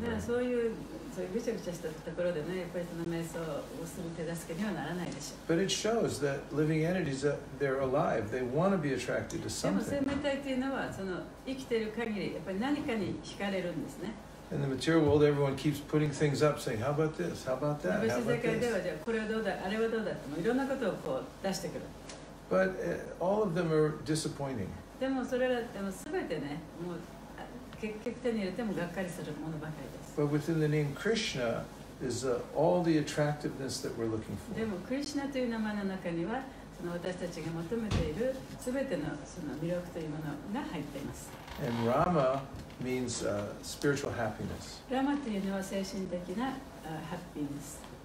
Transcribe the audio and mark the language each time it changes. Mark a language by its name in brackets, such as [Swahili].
[Japanese] だからそういうぐちゃぐちゃしたところでね、やっぱりその瞑想をする手助けにはならないでしょう。 [English] But it shows that living entities that they're alive, they want to be attracted to something. [Japanese] でも生命体というのはその生きている限りやっぱり何かに惹かれるんですね。 [English] In the material world, everyone keeps putting things up, saying, "How about this? How about that? How about this?" [Japanese] 物質世界ではじゃあこれはどうだ、あれはどうだ、もういろんなことをこう出してくる。 [English] But all of them are disappointing. [Japanese] でもそれらでもすべてね、もう結局手に入れてもがっかりするものばかりです。 [English] But within the name Krishna is all the attractiveness that we're looking for. [Japanese] でもクリシナという名前の中にはその私たちが求めているすべてのその魅力というものが入っています。 [English] And Rama means spiritual happiness. [Japanese] ラマというのは精神的なハッピーです。